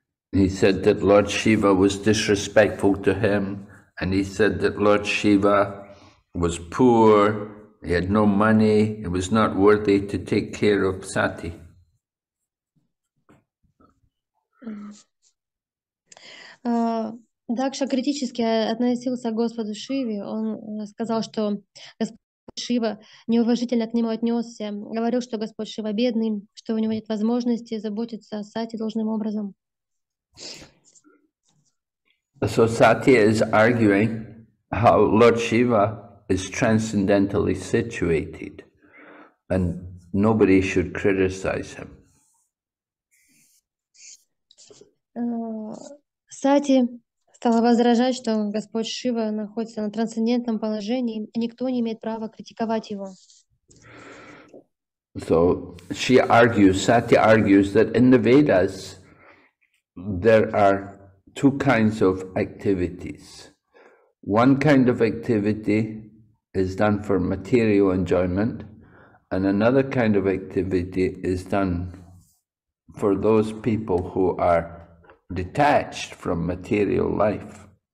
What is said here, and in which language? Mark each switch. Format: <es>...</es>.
<en>He said that Lord Shiva was disrespectful to him, and he said that Lord Shiva was poor, he had no money, he was not worthy to take care of Sati.</en> <ru>Дакша критически относился к Господу Шиве. Он сказал, что Господь Шива неуважительно к нему отнесся. Говорил, что Господь Шива бедный, что у него нет возможности заботиться о Сати должным образом.</ru> <en>So Sati is arguing how Lord Shiva is transcendentally situated and nobody should criticize him.</en> <ru>Сати стала возражать, что Господь Шива находится на трансцендентном положении, и никто не имеет права критиковать его.</ru> <en>So she argues, Sati argues that in the Vedas there are two kinds of activities. One kind of activity is done for material enjoyment, and another kind of activity is done for those people who are detached from material life.</en>